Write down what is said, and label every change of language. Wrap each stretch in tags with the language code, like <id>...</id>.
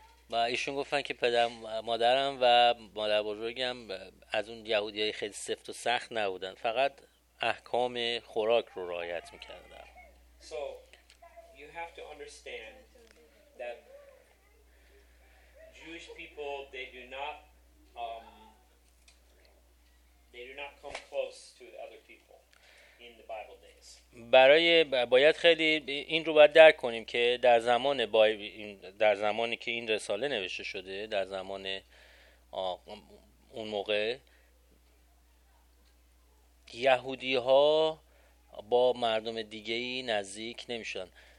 <fa>و ایشون گفتن که پدر مادرم و مادر بزرگم از اون یهودی های خیلی سفت و سخت نبودن، فقط احکام خوراک رو رعایت میکردن.</fa> <en>So you have to understand that Jewish people they do not come close to other people in the Bible days.</en> <fa>برای باید خیلی این رو باید درک کنیم که در زمان در زمانی که این رساله نوشته شده، در زمان اون موقع یهودی ها با مردم دیگه ای نزدیک نمی شدن.</fa>